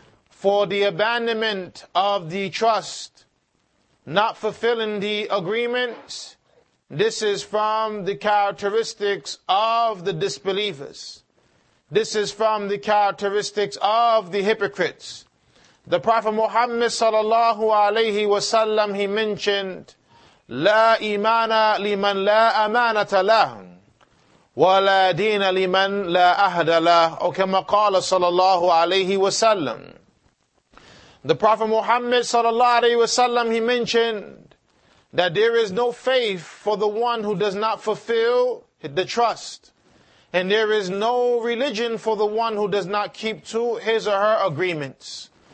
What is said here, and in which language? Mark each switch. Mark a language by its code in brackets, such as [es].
[en] For the abandonment of the trust, not fulfilling the agreements, this is from the characteristics of the disbelievers. This is from the characteristics of the hypocrites. The Prophet Muhammad sallallahu alayhi wa sallam, he mentioned, [ar] لا إيمان لمن لا أمانة له ولا دين لمن لا أهد له, أو كما قال sallallahu alayhi wa sallam. [en] The Prophet Muhammad sallallahu alayhi wa sallam, he mentioned that there is no faith for the one who does not fulfill the trust, and there is no religion for the one who does not keep to his or her agreements.